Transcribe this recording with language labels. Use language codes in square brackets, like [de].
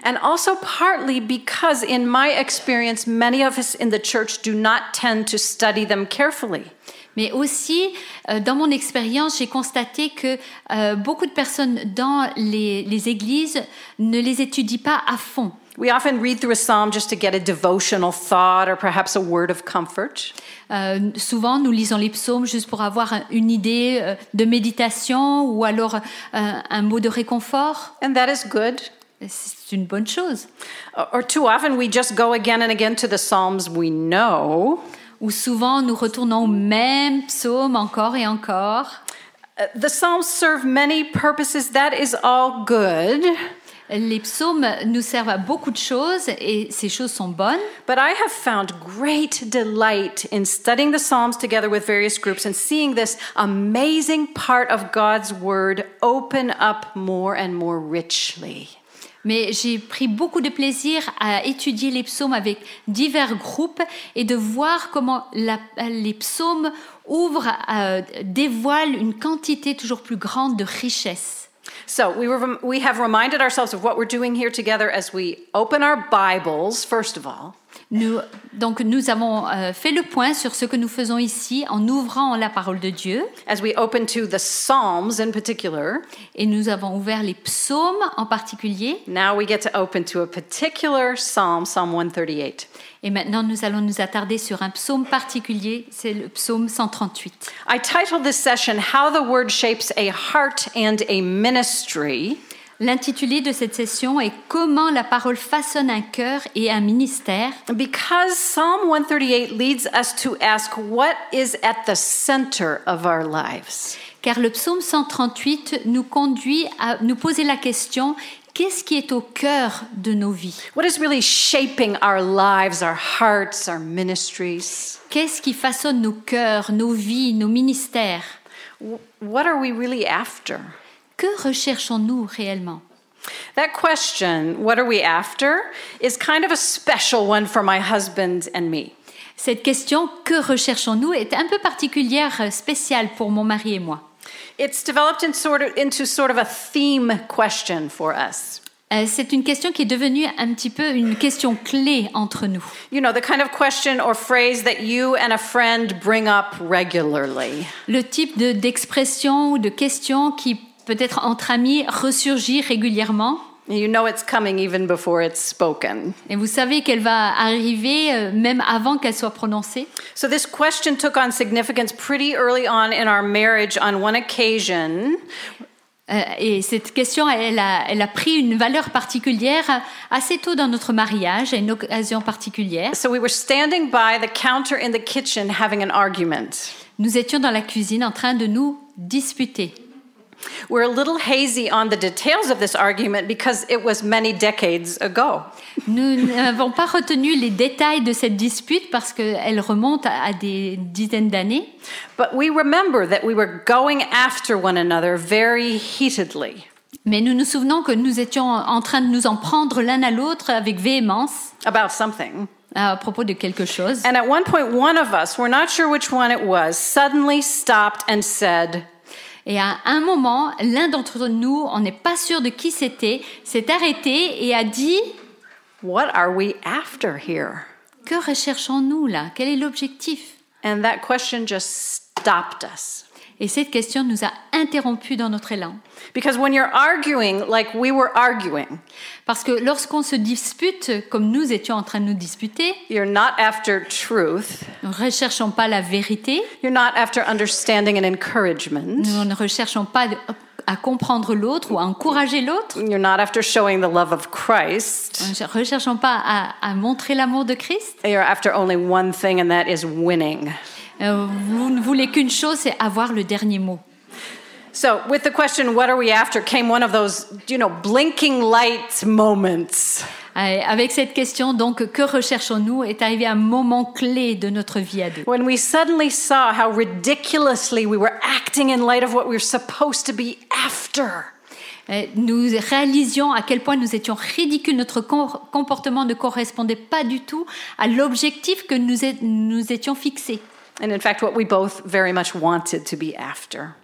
[en] And also partly because in my experience, many of us in the church do not tend to study them carefully. [fr] Mais aussi, dans mon expérience, j'ai constaté que beaucoup de personnes dans les églises ne les étudient pas à fond. [en] We often read through a psalm just to get a devotional thought or perhaps a word of comfort. [fr] Souvent, nous lisons les psaumes juste pour avoir une idée de méditation ou alors un mot de réconfort. [en] And that is good. [fr] C'est une bonne chose. [en] Or too often, we just go again and again to the psalms we know. [fr] Ou souvent, nous retournons au même psaume encore et encore. [en] The psalms serve many purposes. That is all good. [fr] Les psaumes nous servent à beaucoup de choses et ces choses sont bonnes. [en] But I have found great delight in studying the Psalms together with various groups and seeing this amazing part of God's word open up more and more richly. [fr] Mais j'ai pris beaucoup de plaisir à étudier les psaumes avec divers groupes et de voir comment les psaumes ouvrent, dévoilent une quantité toujours plus grande de richesses. [en] So we have reminded ourselves of what we're doing here together as we open our Bibles, first of all. [fr] Nous avons fait le point sur ce que nous faisons ici en ouvrant la parole de Dieu. [en] As we open to the Psalms in particular. [fr] Et nous avons ouvert les psaumes en particulier. [en] Now we get to open to a particular psalm, Psalm 138. [fr] Et maintenant nous allons nous attarder sur un psaume particulier, c'est le psaume 138. [en] I titled this session How the Word Shapes a Heart and a Ministry. [fr] L'intitulé de cette session est « Comment la parole façonne un cœur et un ministère ?» [en] Because Psalm 138 leads us to ask what is at the center of our lives. [fr] Car le psaume 138 nous conduit à nous poser la question « Qu'est-ce qui est au cœur de nos vies ?» [en] What is really shaping our lives, our hearts, our ministries ? [fr] Qu'est-ce qui façonne nos cœurs, nos vies, nos ministères ? [en] What are we really after ? [fr] Que recherchons-nous réellement? [en] That question, what are we after, is kind of a special one for my husband and me. [fr] Cette question, que recherchons-nous, est un peu particulière, spéciale pour mon mari et moi. [en] It's developed into sort of a theme question for us. [fr] C'est une question qui est devenue un petit peu une question clé entre nous. [en] You know, the kind of question or phrase that you and a friend bring up regularly. [fr] Le type d'expression ou de question qui peut-être entre amis, ressurgit régulièrement. [en] You know it's coming even before it's spoken. [fr] Et vous savez qu'elle va arriver même avant qu'elle soit prononcée. [en] So this question took on significance pretty early on in our marriage on one occasion. [fr] Et cette question, elle a pris une valeur particulière assez tôt dans notre mariage, à une occasion particulière. [en] So we were standing by the counter in the kitchen having an argument. [fr] Nous étions dans la cuisine en train de nous disputer. [en] We're a little hazy on the details of this argument because it was many decades ago. [fr] Nous n'avons pas retenu les détails de cette dispute parce qu'elle remonte à des dizaines d'années. [en] But we remember that we were going after one another very heatedly. [fr] Mais nous nous souvenons que nous étions en train de nous en prendre l'un à l'autre avec véhémence. [en] About something. [fr] À propos de quelque chose. [en] And at one point, one of us, we're not sure which one it was, suddenly stopped and said, [fr] et à un moment, l'un d'entre nous, on n'est pas sûr de qui c'était, s'est arrêté et a dit [en] « What are we after here ?» [fr] Que recherchons-nous là ? Quel est l'objectif ? [en] And that question just stopped us. [fr] Et cette question nous a interrompus dans notre élan. [en] Because when you're arguing like we were arguing, [fr] parce que lorsqu'on se dispute comme nous étions en train de nous disputer, [en] you're not after truth, [fr] nous ne recherchons pas la vérité, [en] you're not after understanding and encouragement, [fr] nous ne recherchons pas à comprendre l'autre ou à encourager l'autre, [en] you're not after showing the love of Christ, [fr] nous ne recherchons pas à montrer l'amour de Christ, [en] you're after only one thing and that is winning. [fr] Vous ne voulez qu'une chose, c'est avoir le dernier mot. [en] So, with the question, what are we after, came one of those, you know, blinking light moments. [fr] Avec cette question, donc, que recherchons-nous, est arrivé un moment clé de notre vie à deux. [en] When we suddenly saw how ridiculously we were acting in light of what we were supposed to be after. [fr] Nous réalisions à quel point nous étions ridicules, notre comportement ne correspondait pas du tout à l'objectif que nous étions fixés. [en] And in fact, what we both very much wanted to be after.